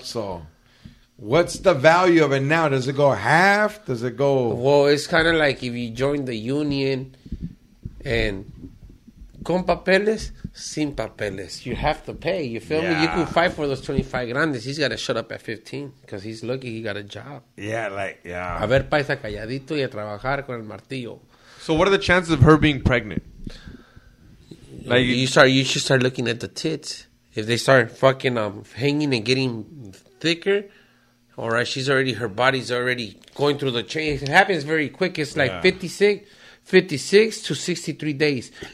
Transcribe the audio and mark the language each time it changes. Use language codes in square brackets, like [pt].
[en] So what's the value of it now? Does it go half? Does it go? Well, it's kind of like if you join the union and [es] con papeles, sin papeles. [en] You have to pay. You feel me? You can fight for those 25 grandes. He's got to shut up at 15 because he's lucky he got a job. Yeah. [es] A ver paisa calladito y a trabajar con el martillo. [en] So what are the chances of her being pregnant? Like you should start looking at the tits. If they start fucking hanging and getting thicker, all right, her body's already going through the change. It happens very quick. It's like 56 to 63 days.